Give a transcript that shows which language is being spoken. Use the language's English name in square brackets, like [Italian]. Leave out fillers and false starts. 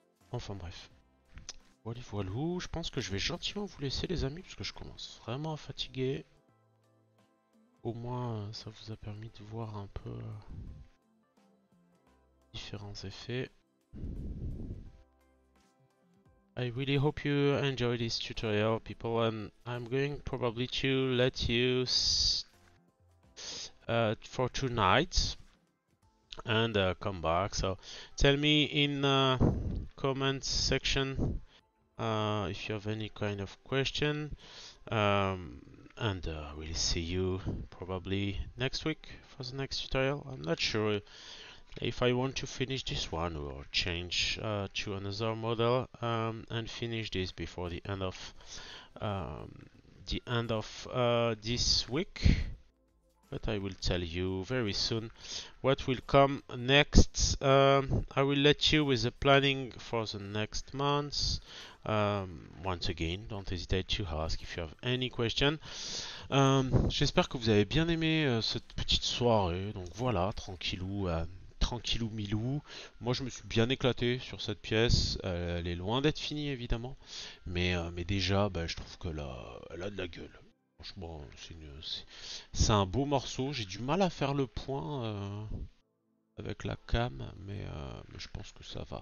[French] Enfin bref. Voilà, voilou, je pense que je vais gentiment vous laisser les amis, parce que je commence vraiment à fatiguer. Au moins, ça vous a permis de voir un peu différents effets. [English] I really hope you enjoy this tutorial, people, and I'm going probably to let you for tonight and come back. So, tell me in comment section if you have any kind of question, and we'll see you probably next week for the next tutorial. I'm not sure if I want to finish this one or change to another model and finish this before the end of this week, but I will tell you very soon what will come next. I will let you with the planning for the next month. Once again, don't hesitate to ask if you have any question. [French] J'espère que vous avez bien aimé cette petite soirée. Donc voilà, tranquillou Milou. Moi, je me suis bien éclaté sur cette pièce. Elle est loin d'être finie, évidemment. Mais déjà, bah, je trouve que là, elle a de la gueule. Franchement, c'est un beau morceau. J'ai du mal à faire le point avec la cam, mais je pense que ça va.